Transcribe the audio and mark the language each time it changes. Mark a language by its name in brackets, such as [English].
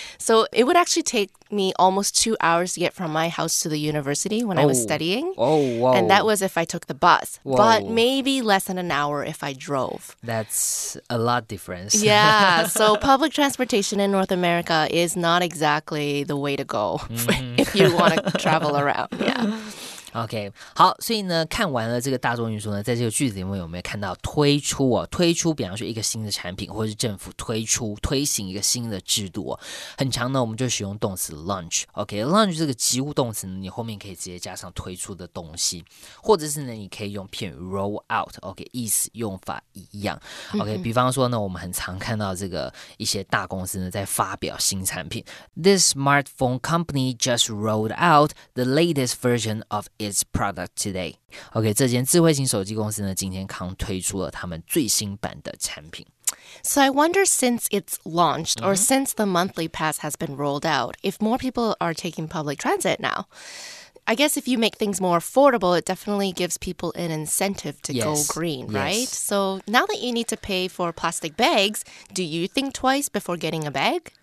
[English] So it would actually take me almost 2 hours to get from my house to the university when、 oh. I was studying. Oh, whoa. And that was if I took the bus.、 Whoa. But maybe less than an hour if I drove. That's a lot difference. Yeah. So public transportation in North America is not exactly the way to go、 mm-hmm. if you want to travel around. Yeah. [Chinese] OK, 好，所以呢，看完了这个大众运输呢，在这个句子里面有没有看到推出哦？推出，比方说一个新的产品，或是政府推行一个新的制度哦。很常呢，我们就使用动词 launch。OK，launch 这个及物动词呢，你后面可以直接加上推出的东西，或者是呢，你可以用片语 roll out。 OK， 意思用法一样。OK，、 mm-hmm. 比方说呢，我们很常看到这个一些大公司呢在发表新产品 ， [English] This smartphone company just rolled out the latest version of its product today. [Chinese] OK, 这间智慧型手机公司呢，今天刚推出了他们最新版的产品。 [English] So I wonder since it's launched、mm-hmm. or since the monthly pass has been rolled out, if more people are taking public transit now. I guess if you make things more affordable, it definitely gives people an incentive to、 yes. go green, right?、 Yes. So now that you need to pay for plastic bags, do you think twice before getting a bag?